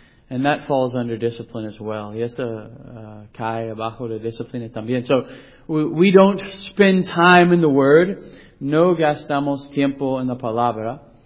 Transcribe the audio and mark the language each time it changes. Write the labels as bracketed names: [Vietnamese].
[English] And that falls under discipline as well. [Spanish] Y esto cae abajo de disciplina también. [English] So we don't spend time in the Word. [Spanish] No gastamos tiempo en la palabra.